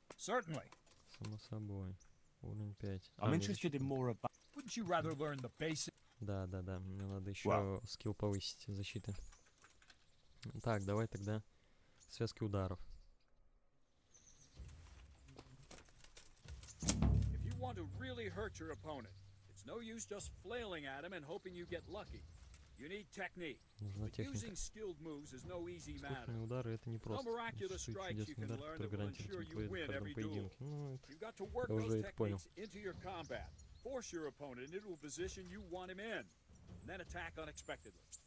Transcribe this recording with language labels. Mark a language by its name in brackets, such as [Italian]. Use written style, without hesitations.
[English] Certainly. [Russian] Само собой. Уровень 5. [English] I'm interested in more about... Wouldn't you rather learn the basic... [Russian] Да, да, да. Мне надо еще скилл повысить защиты. Так, давай тогда связки ударов. [English] If you want to really hurt your opponent, it's no use just flailing at him and hoping you get lucky. You need technique. [Russian] Нужна техника. Скучные удары — это не просто. Это чудес удар, который гарантирует тебе каждом поединке. Ну, это... Я уже это понял. [English] Force your opponent into a position you want him in, and then attack unexpectedly.